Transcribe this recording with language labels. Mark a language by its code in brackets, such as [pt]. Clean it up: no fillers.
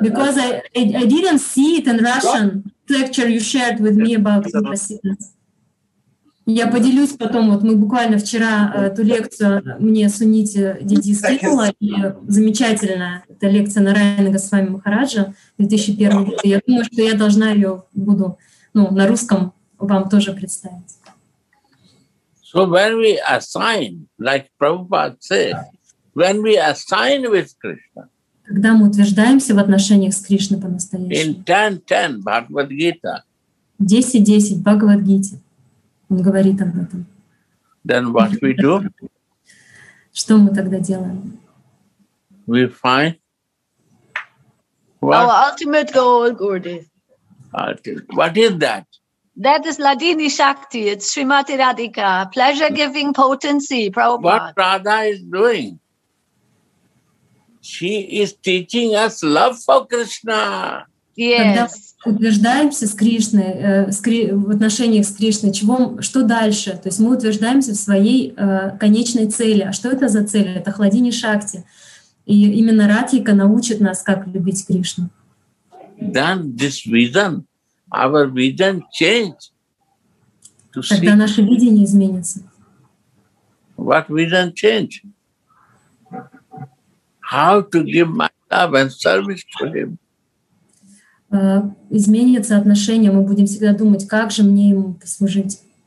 [en] because I didn't see it in Russian lecture you shared with me about Krupa Siddhas. [ru] Я поделюсь потом, вот мы буквально вчера эту лекцию мне Суните Диди скинула, и замечательная эта лекция Нараяны Госвами Махараджа 2001 год. Я думаю, что я должна ее буду на русском вам тоже представить. [en] So when we assign, like Prabhupada said, when we assign with Krishna, [ru] когда мы утверждаемся в отношениях с Кришной по-настоящему. [en] In 10:10 Бхагавад-гита. [ru] 10:10 Бхагавад-гите. Он говорит об этом. [en] Then what we do? [ru] Что мы тогда делаем? [en] We find our ultimate goal, Gurudev. What is that? That is Ladini Shakti. It's Srimati Radhika. Pleasure-giving potency, Prabhupada. What Radha is doing? She is teaching us love for Krishna. Yes. [ru] Когда утверждаемся с Кришной, в отношениях с Кришной, что дальше? То есть мы утверждаемся в своей конечной цели. А что это за цель? Это Хладини Шакти. И именно Радхика научит нас, как любить Кришну. [en] Then this vision, our vision change. [ru] Тогда наше видение изменится. [en] What vision change? How to give my love and service to him? [ru] изменится отношение, мы будем всегда думать, как же мне ему послужить.